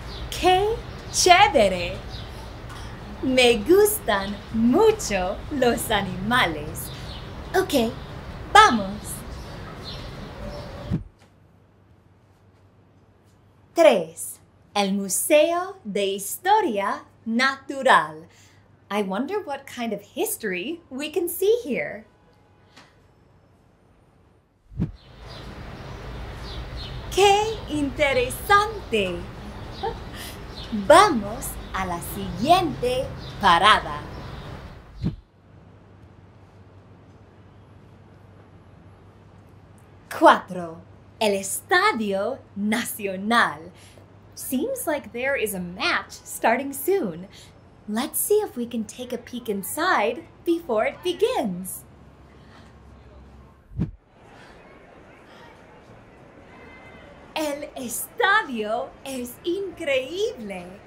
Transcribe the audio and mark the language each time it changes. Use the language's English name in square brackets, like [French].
[Spanish] ¡Qué chévere! Me gustan mucho los animales. Okay, vamos. 3. El Museo de Historia Natural. [English] I wonder what kind of history we can see here. [Spanish] 'Qué interesante! Vamos a la siguiente parada. Cuatro. El Estadio Nacional. [English] Seems like there is a match starting soon. Let's see if we can take a peek inside before it begins. [Spanish] El estadio es increíble.